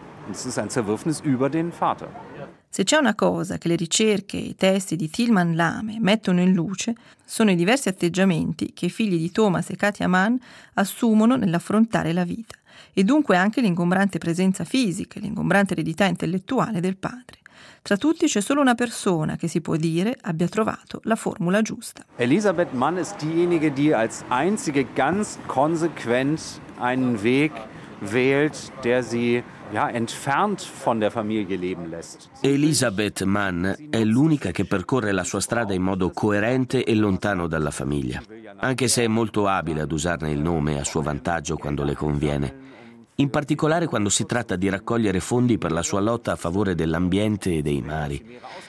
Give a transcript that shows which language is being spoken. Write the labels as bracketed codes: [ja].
[it] Se c'è una cosa che le ricerche e i testi di Tilman Lame mettono in luce, sono i diversi atteggiamenti che i figli di Thomas e Katia Mann assumono nell'affrontare la vita, e dunque anche l'ingombrante presenza fisica e l'ingombrante eredità intellettuale del padre. Tra tutti c'è solo una persona che si può dire abbia trovato la formula giusta. [de] Elisabeth Mann è diejenige, die als einzige ganz konsequent einen Weg wählt, der sie entfernt von der Familie leben lässt. [it] Elisabeth Mann è l'unica che percorre la sua strada in modo coerente e lontano dalla famiglia, anche se è molto abile ad usarne il nome a suo vantaggio quando le conviene. In particolare quando si tratta di raccogliere fondi per la sua lotta a favore dell'ambiente e dei mari.